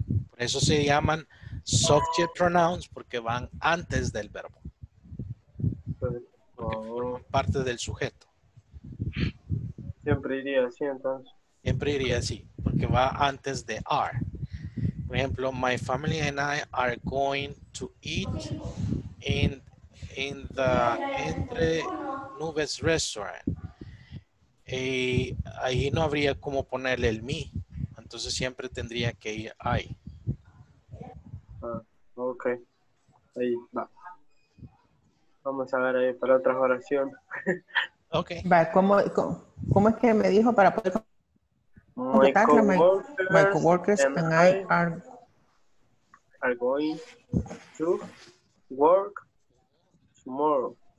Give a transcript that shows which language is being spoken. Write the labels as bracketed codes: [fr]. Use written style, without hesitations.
[es] Por eso se llaman subject pronouns, porque van antes del verbo. Porque forman parte del sujeto. Siempre iría así, entonces. Siempre iría así, porque va antes de are. Por ejemplo, [en] my family and I are going to eat in the Entre Nubes restaurant. [es] Y ahí no habría como ponerle el me, entonces siempre tendría que ir ahí. Ah, ok, ahí va. Vamos a ver ahí para otra oración. Ok. Va, ¿cómo es que me dijo para poder contactarlo? [en] My coworkers and I are going to work tomorrow.